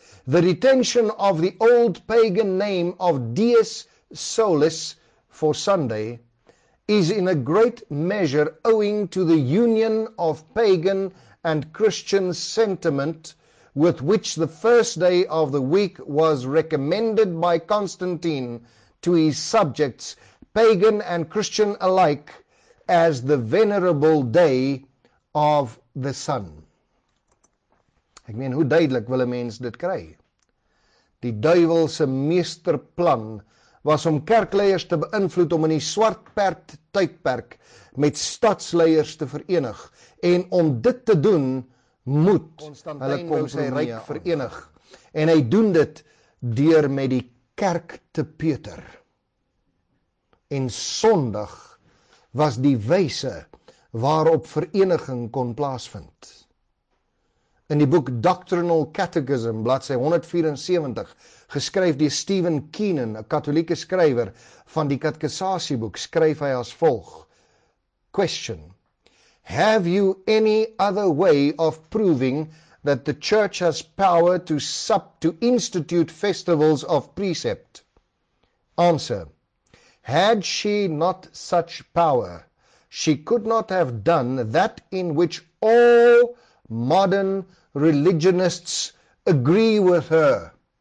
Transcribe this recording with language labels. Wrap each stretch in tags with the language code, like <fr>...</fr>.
<en>"The retention of the old pagan name of Dies Solis for Sunday is in a great measure owing to the union of pagan and Christian sentiment with which the first day of the week was recommended by Constantine to his subjects, pagan and Christian alike, as the venerable day of the sun.</en> <af>Ek meen, hoe duidelik wil 'n mens dit kry? Die duiwelse meesterplan was om kerkleiers te beïnvloed om in die swart perd tydperk met stadsleiers te verenig. En om dit te doen, moet hulle kom sy ryk verenig. En hy doen dit deur met die kerk te peter. En Sondag was die wyse waarop vereniging kon plaasvind. In die boek Doctrinal Catechism, bladsy 174, geskryf deur Stephen Keenan, 'n katolieke skrywer van die katekisasieboek, skryf hy as volg.</af> <en>Question: Have you any other way of proving that the church has power to institute festivals of precept? Answer: Had she not such power, she could not have done that in which all modern religionists agree with her.</en>